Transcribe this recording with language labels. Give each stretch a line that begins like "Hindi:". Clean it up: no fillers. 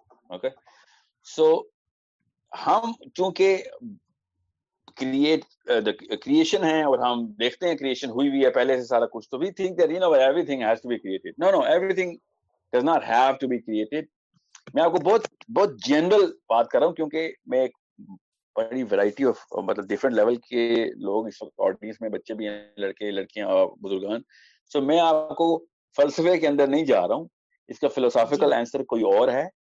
English: Okay, so
Hindi: हम चूंकि creation है और हम देखते हैं creation हुई भी है पहले से सारा कुछ, तो
English: we think that you know everything has to be created. No, no, everything does not have to be created.
Hindi: मैं आपको बहुत बहुत general बात कर रहा हूँ क्योंकि मैं एक बड़ी variety of मतलब different level के लोग इस audience में, बच्चे भी हैं, लड़के लड़कियां और बुजुर्गान, so मैं आपको फलसफे के अंदर नहीं जा रहा हूँ, इसका philosophical answer कोई और है।